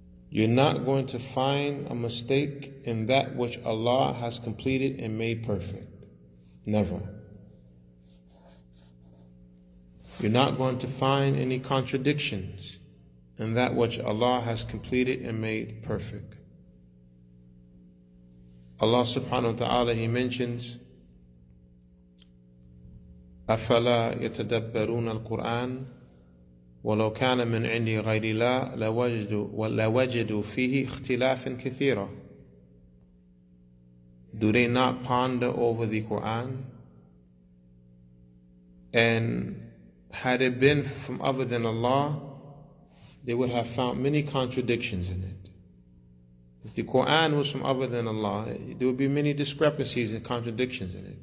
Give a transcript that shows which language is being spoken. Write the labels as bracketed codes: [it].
[en] You're not going to find a mistake in that which Allah has completed and made perfect. Never. You're not going to find any contradictions in that which Allah has completed and made perfect. Allah subhanahu wa ta'ala, He mentions, [ar] أَفَلَا يَتَدَبَّرُونَ الْقُرْآنَ وَلَوْ كَانَ مِنْ عِنْدِي غَيْرِ اللَّهِ لَوَجَدُوا فِيهِ اخْتِلَافٍ كَثِيرًا. [en] Do they not ponder over the Qur'an? And had it been from other than Allah, they would have found many contradictions in it. If the Qur'an was from other than Allah, there would be many discrepancies and contradictions in it.